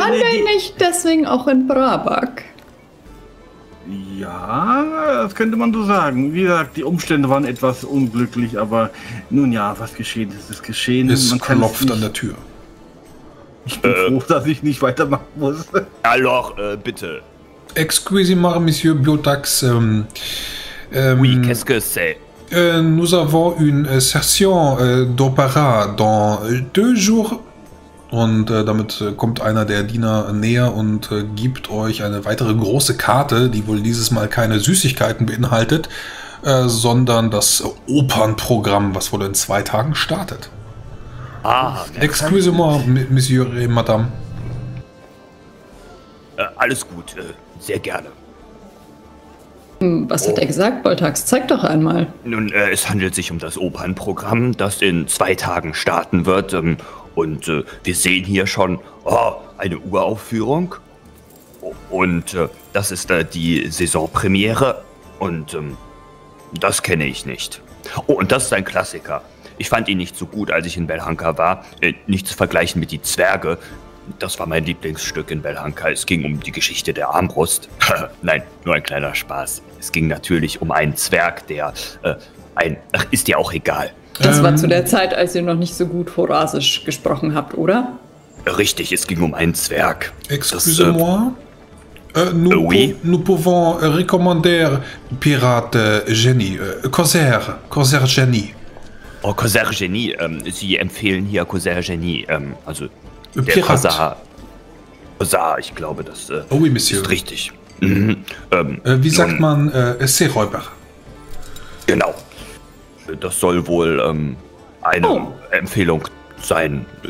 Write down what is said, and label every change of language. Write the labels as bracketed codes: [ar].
[de] Waren wir nicht deswegen auch in Brabak? Ja, das könnte man so sagen. Wie gesagt, die Umstände waren etwas unglücklich, aber nun ja, was geschehen ist, ist geschehen. Es man klopft kann es nicht... an der Tür. Ich bin froh, dass ich nicht weitermachen muss. Hallo, bitte. [fr] Excusez-moi, Monsieur Biotax. Oui, qu'est-ce que c'est? Nous avons une session d'opéra dans deux jours. [de] Und damit kommt einer der Diener näher und gibt euch eine weitere große Karte, die wohl dieses Mal keine Süßigkeiten beinhaltet, sondern das Opernprogramm, was wohl in 2 Tagen startet. Ah, [fr] excusez-moi, Monsieur et Madame. [de] Alles gut, sehr gerne. Was hat er gesagt, Boltax? Zeig doch einmal. Nun, es handelt sich um das Opernprogramm, das in 2 Tagen starten wird. Und wir sehen hier schon eine Uraufführung. Und das ist die Saisonpremiere. Und das kenne ich nicht. Oh, und das ist ein Klassiker. Ich fand ihn nicht so gut, als ich in Belhanka war. Nicht zu vergleichen mit Die Zwerge. Das war mein Lieblingsstück in Belhanka. Es ging um die Geschichte der Armbrust. Nein, nur ein kleiner Spaß. Es ging natürlich um einen Zwerg, der ist dir auch egal. Das war zu der Zeit, als ihr noch nicht so gut Horasisch gesprochen habt, oder? Richtig, es ging um einen Zwerg. [fr] Excusez-moi. Nous pouvons recommander Pirate Jenny. Corsair Jenny. [de] Oh, Corsair Jenny. Sie empfehlen hier Corsair Jenny. Also... Der Kazar. Kazar, ich glaube, das ist richtig. Seeräuber? Genau. Das soll wohl Empfehlung sein.